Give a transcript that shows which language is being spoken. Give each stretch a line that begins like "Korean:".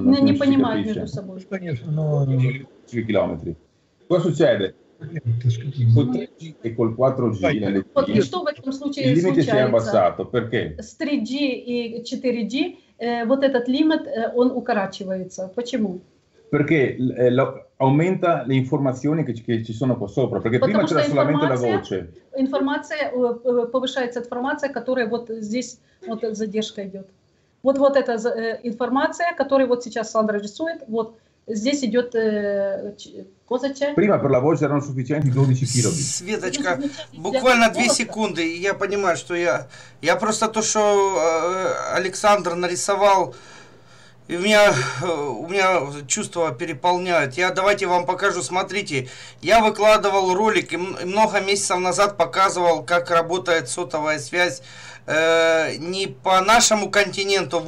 Russian: не понимают между собой. Конечно, но... Километри. Что succede?
Italian: Con 3G e col 4G LTE.
Russian: Что в этом случае случается?
Italian: Abbassato. Perché?
Russian: С 3G и 4G вот этот лимит, он укорачивается. Почему?
Italian: Perché aumenta le informazioni che ci sono qua sopra, perché
Russian: потому
Italian: prima c'era solamente la voce.
Russian: Informazione, повышается информация, которая вот здесь, вот задержка идет. Вот эта информация, которую вот сейчас Сандра рисует, вот здесь идет козача.
Italian: Prima per la voce erano sufficienti 12 kilobit.
Russian: Светочка, буквально 2 секунды, и я понимаю, что я просто то, что Александр нарисовал, и у меня чувства переполняют. Я давайте вам покажу. Смотрите, я выкладывал ролик и много месяцев назад показывал, как работает сотовая связь не по нашему континенту.